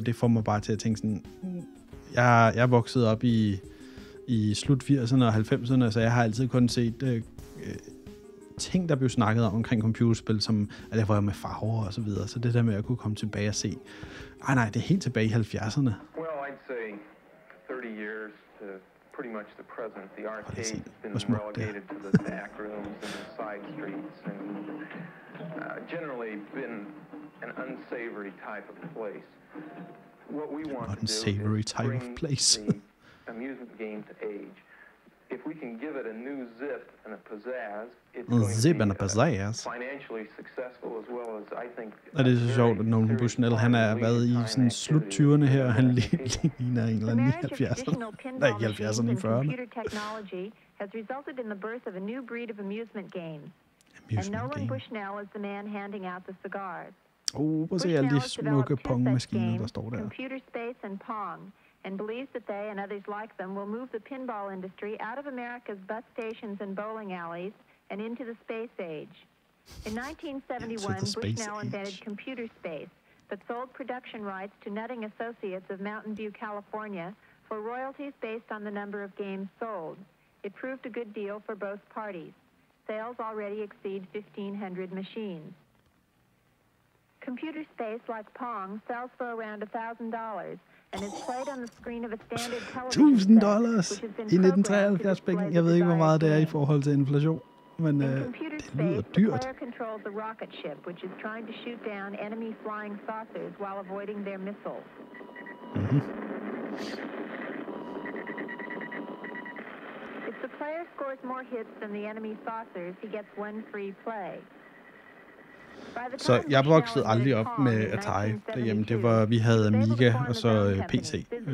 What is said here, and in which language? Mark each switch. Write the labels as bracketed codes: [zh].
[da] Det får mig bare til at tænke sådan, jeg er vokset op i slut 80'erne og 90'erne, så jeg har altid kun set ting, der blev snakket om omkring computerspil, som at jeg var med farver og så videre. Så det der med at kunne komme tilbage og se. Ej nej, det er helt tilbage i 70'erne. [en] Well, I'd say 30 years to pretty much the present. The arcade has been relegated to the back rooms and the side streets and generally been an unsavory type of place. What we want to do is bring the amusement game to age. If we can give it a new zip and a pizzazz, it's going to be financially successful as well as I think. [da] Og det er så sjovt, at Nolan Bushnell, han har været i sådan slut 20'erne her, og han ligner en eller anden 70'erne. Nej, ikke 70'erne, i 40'erne. [en] Technology has resulted in the birth of a new breed of amusement games. And Nolan game. Bushnell is the man handing out the cigars. [da] Prøv at se alle de smukke pongmaskiner, der står der. [en] Computer Space and Pong, and believes that they and others like them will move the pinball industry out of America's bus stations and bowling alleys and into the space age. In 1971, Bushnell invented Computer Space, but sold production rights to Nutting Associates of Mountain View, California, for royalties based on the number of games sold. It proved a good deal for both parties. Sales already exceed 1,500 machines. Computer Space, like Pong, sells for around $1,000 and is played on the screen of a standard television set. $1,000 in 1973, [da] jeg ved ikke, hvor meget det er i forhold til inflation. men det lyder dyrt. [en] Controls the rocket ship which is trying to shoot down enemy flying saucers while avoiding their missiles. If the player scores more hits than the enemy saucers, he gets one free play. [da] Så jeg voksede aldrig op med Atari derhjemme. Det var, vi havde Amiga og så PC.